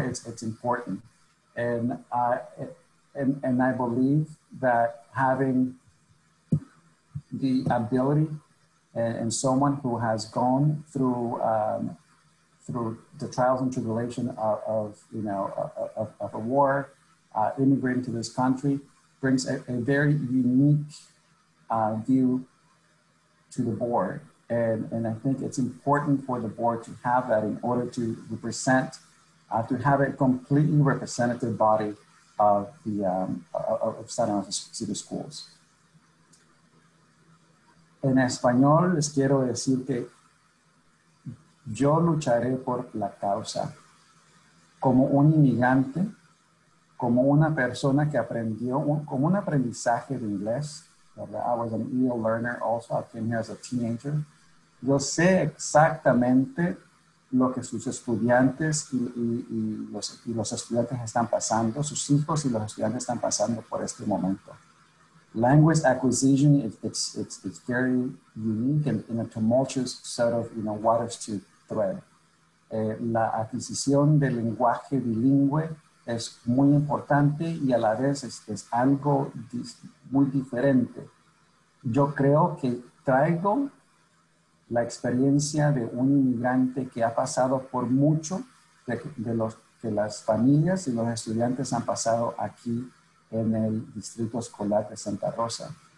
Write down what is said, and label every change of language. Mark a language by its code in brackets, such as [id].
[en] It's important. And I believe that having the ability and someone who has gone through through the trials and tribulation of a war, immigrating to this country, brings a very unique view to the board. And I think it's important for the board to have that in order to represent, to have a completely representative body of the of San Jose City Schools. En español les quiero decir que yo lucharé por la causa como un inmigrante, como una persona que aprendió, como un aprendizaje de inglés, ¿verdad? I was an EL learner also, I came here as a teenager. [es] Yo sé exactamente lo que sus estudiantes y los estudiantes están pasando, sus hijos y los estudiantes están pasando por este momento. [en] Language acquisition, it's very unique and in a tumultuous set of, you know, waters to thread. [es] La adquisición del lenguaje bilingüe es muy importante y a la vez es algo muy diferente. Yo creo que traigo la experiencia de un inmigrante que ha pasado por mucho de los que las familias y los estudiantes han pasado aquí en el Distrito Escolar de Santa Rosa.